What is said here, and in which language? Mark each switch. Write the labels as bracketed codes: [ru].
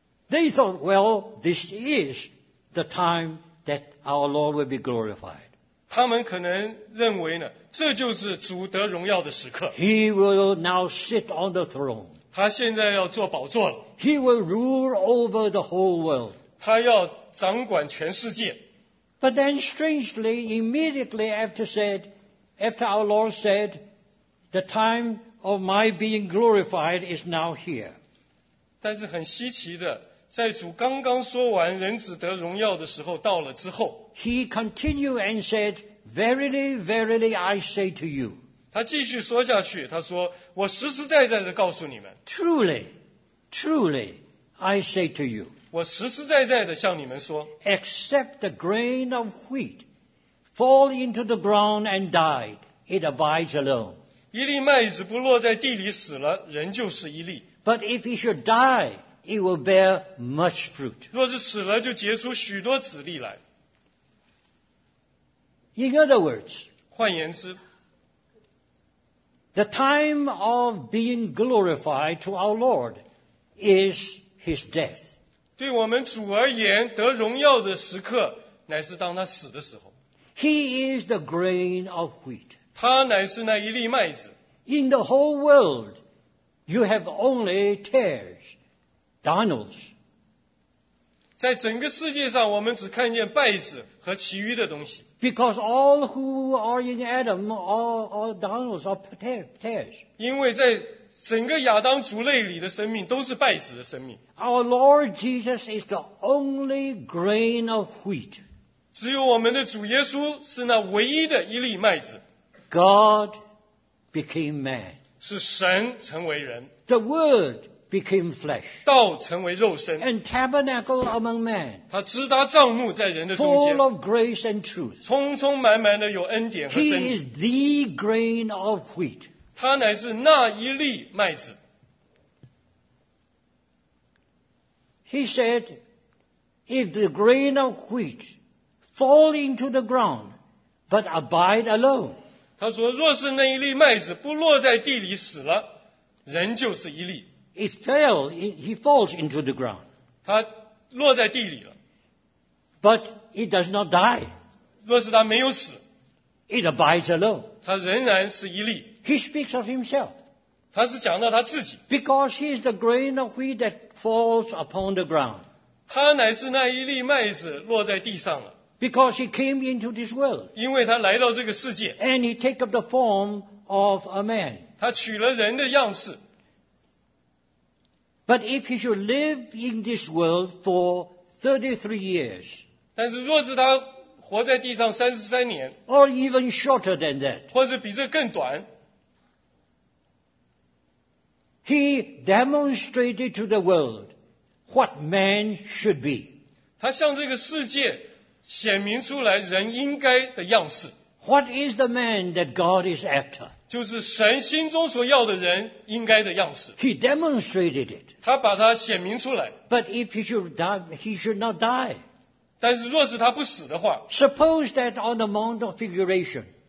[en] They thought, well, this is the time that our Lord will be glorified. [zh] 他们可能认为呢，这就是主得荣耀的时刻。 [en] He will now sit on the throne. [zh] 他现在要坐宝座了。 [en] He will rule over the whole world. [zh] 他要掌管全世界。 [en] But then strangely, immediately after our Lord said, the time of my being glorified is now here. [zh] 但是很稀奇的，在主刚刚说完人子得荣耀的时候到了之后， [en] He continued and said, Verily, verily, I say to you. [zh] 他继续说下去，他说，我实实在在地告诉你们。 [en] Truly, truly, I say to you. [zh] 我实实在在地向你们说。 [en] Except the grain of wheat fall into the ground and die, it abides alone. [zh] 一粒麦子不落在地里死了，人就是一粒。 [en] But if he should die, it will bear much fruit. [zh] 若是死了，就结出许多子粒来。 [en] In other words, [zh] 换言之, [en] the time of being glorified to our Lord is his death. [zh] 对我们主而言,得荣耀的时刻乃是当他死的时候。 [en] He is the grain of wheat. [zh] 他乃是那一粒麦子。 [en] In the whole world, you have only tares, darnels. [zh] 在整个世界上我们只看见麦子和其余的东西。 [en] Because all who are in Adam are darnels or tares. [zh] 因为在整个亚当族类里的生命都是败子的生命。 [en] Our Lord Jesus is the only grain of wheat. [zh] 只有我们的主耶稣是那唯一的一粒麦子。 [en] God became man. [zh] 是神成为人。 [en] The Word became flesh. [zh] 道成为肉身。 [en] And tabernacle among men. [zh] 他支搭帐幕在人的中间。 [en] Full of grace and truth. [zh] 充充满满的有恩典和真理。 [en] He is the grain of wheat. [zh] 他乃是那一粒麦子。 [en] He said, if the grain of wheat fall into the ground, but abide alone. [zh] 他说若是那一粒麦子不落在地里死了，人就是一粒。 [en] It fell, he falls into the ground. [zh] 他落在地里了。 [en] But it does not die. [zh] 若是他没有死。 [en] It abides alone. [zh] 他仍然是一粒。 [en] He speaks of himself. [zh] 他是讲到他自己。 [en] Because he is the grain of wheat that falls upon the ground. [zh] 他乃是那一粒麦子落在地上了。 [en] Because he came into this world. [zh] 因为他来到这个世界。 [en] And he take up the form of a man. [zh] 他取了人的样式。 [en] But if he should live in this world for 33 years, [zh] 但是若是他活在地上33年, [en] or even shorter than that, [zh] 或是比这更短, [en] he demonstrated to the world what man should be. [zh] 他向这个世界显明出来人应该的样式。 [en] What is the man that God is after? [zh] 就是神心中所要的人应该的样式。 [en] He demonstrated it. [zh] 他把它显明出来。 [en] But if he should die, he should not die. [zh] 但是若是他不死的话。 [en] Suppose that on the Mount of Figuration.